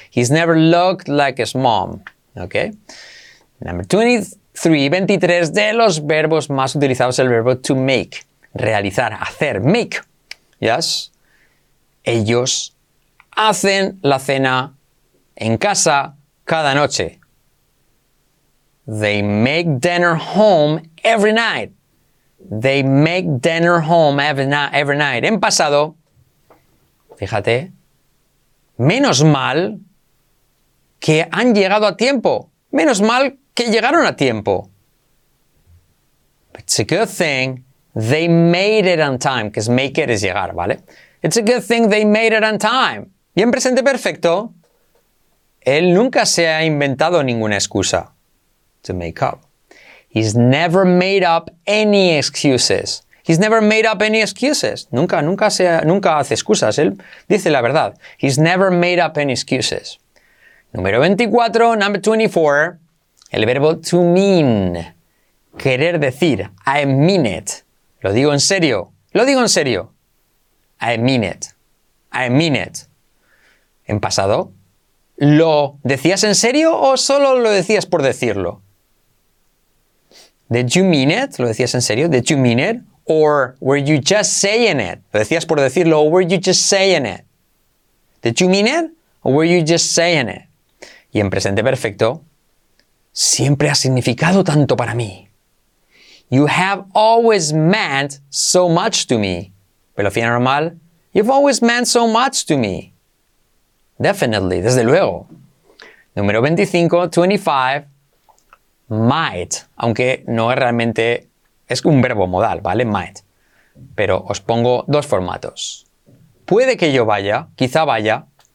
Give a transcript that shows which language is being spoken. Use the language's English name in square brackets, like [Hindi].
[English] He's never looked like his mom. Ok. Number 23 [Spanish] de los verbos más utilizados, el verbo to make, realizar, hacer, make. Yes. Ellos hacen la cena en casa cada noche. [English] They make dinner home every night. They make dinner home every night. [Spanish] En pasado, fíjate, menos mal que han llegado a tiempo. Menos mal que llegaron a tiempo. [English] It's a good thing they made it on time. Because make it is llegar, ¿vale? It's a good thing they made it on time. [Spanish] Y en presente perfecto, él nunca se ha inventado ninguna excusa. [English] To make up. He's never made up any excuses. He's never made up any excuses. [Spanish] Nunca hace excusas. Él dice la verdad. [English] He's never made up any excuses. [Spanish] Número 24, [English] number 24, [Spanish] el verbo to mean, querer decir, I mean it. Lo digo en serio, lo digo en serio. [English] I mean it, I mean it. [Spanish] En pasado, ¿lo decías en serio o solo lo decías por decirlo? [English] Did you mean it? [Spanish] ¿Lo decías en serio? [English] Did you mean it? Or were you just saying it? [Spanish] ¿Lo decías por decirlo o [English] were you just saying it? Did you mean it? Or were you just saying it? [Spanish] Y en presente perfecto, siempre ha significado tanto para mí. [English] You have always meant so much to me. [Spanish] Pero fin normal, [English] you've always meant so much to me. Definitely, [Spanish] desde luego. Número 25, 25, might. Aunque no es realmente, es un verbo modal, ¿vale? Might. Pero os pongo dos formatos. Puede que yo vaya, quizá vaya.